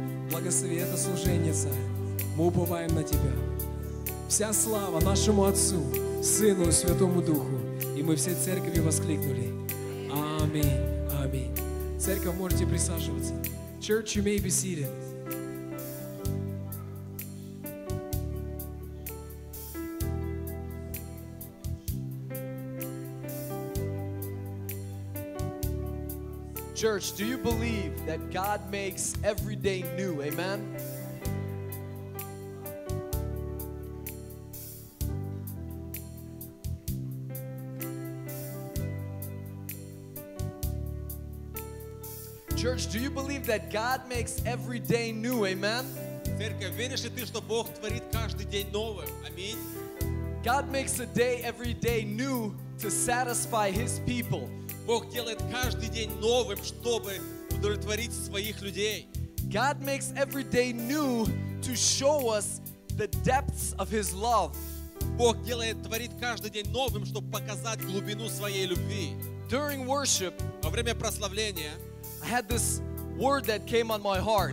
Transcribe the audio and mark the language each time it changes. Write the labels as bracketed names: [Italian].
[Russian] Благослови это служение, Царь. Мы уповаем на Тебя. Вся слава нашему Отцу, Сыну и Святому Духу. И мы всей церковью воскликнули. Аминь, аминь. Церковь, можете присаживаться. [English] Church, you may be seated. Church, do you believe that God makes every day new? Amen? Church, do you believe that God makes every day new? Amen? [Russian] Церковь, веришь ли ты, что Бог творит каждый день новое? Аминь. [English] God makes a day every day new to satisfy His people. [Russian] Бог делает каждый день новым, чтобы удовлетворить своих людей. [English] God makes every day new to show us the depths of His love. [Russian] Бог делает, творит каждый день новым, чтобы показать глубину своей любви. [English] During worship, [Russian] во время прославления, [English] I had this word that came on my heart.